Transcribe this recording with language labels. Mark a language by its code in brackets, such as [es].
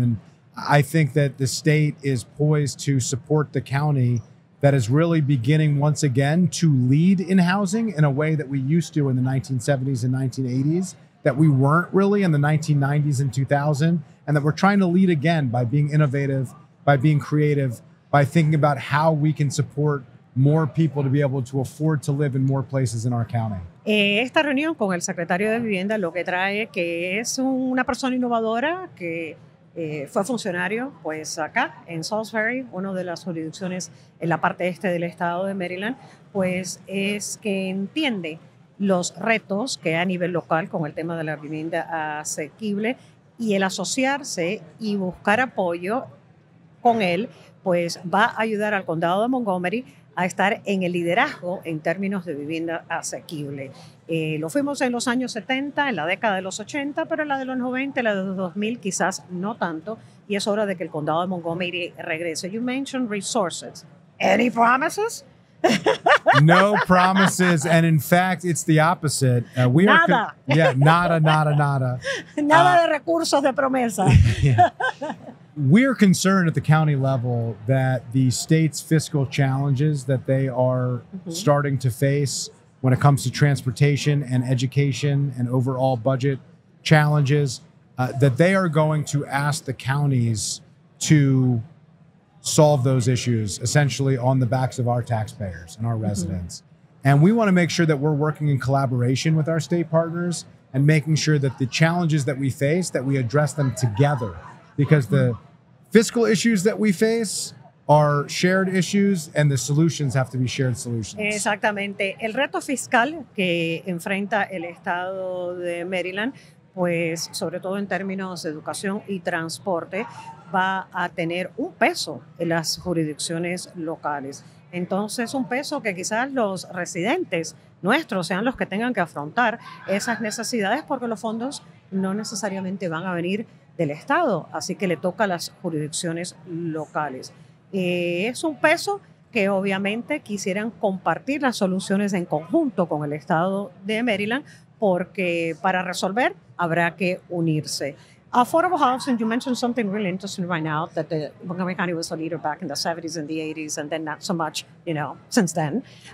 [en] And I think that the state is poised to support the county that is really beginning once again to lead in housing in a way that we used to in the 1970s and 1980s, that we weren't really in the 1990s and 2000. And that we're trying to lead again by being innovative, by being creative, by thinking about how we can support more people to be able to afford to live in more places in our county. [es] Esta reunión con el secretario de vivienda lo que trae que es una persona innovadora que fue funcionario pues acá en Salisbury, una de las jurisdicciones en la parte este del estado de Maryland, pues es que entiende los retos que hay a nivel local con el tema de la vivienda asequible, y el asociarse y buscar apoyo con él pues va a ayudar al condado de Montgomery a estar en el liderazgo en términos de vivienda asequible. Lo fuimos en los años 70, en la década de los 80, pero en la de los 90, la de los 2000 quizás no tanto, y es hora de que el condado de Montgomery regrese. [en] You mentioned resources. Any promises? No promises, and in fact, it's the opposite. [es] Nada. Nada de recursos de promesa. [en] We're concerned at the county level that the state's fiscal challenges that they are starting to face when it comes to transportation and education and overall budget challenges, that they are going to ask the counties to solve those issues essentially on the backs of our taxpayers and our residents. And we want to make sure that we're working in collaboration with our state partners and making sure that the challenges that we face, that we address them together, because the fiscal issues that we face are shared issues, and the solutions have to be shared solutions. [es] Exactamente. El reto fiscal que enfrenta el estado de Maryland, pues sobre todo en términos de educación y transporte, va a tener un peso en las jurisdicciones locales. Entonces, un peso que quizás los residentes nuestros sean los que tengan que afrontar esas necesidades, porque los fondos no necesariamente van a venir del estado, así que le toca a las jurisdicciones locales. Es un peso que obviamente quisieran compartir las soluciones en conjunto con el estado de Maryland, porque para resolver habrá que unirse. [en] Affordable housing, you mentioned something really interesting right now, that the Montgomery County was a leader back in the 70s and the 80s, and then not so much, you know, since then.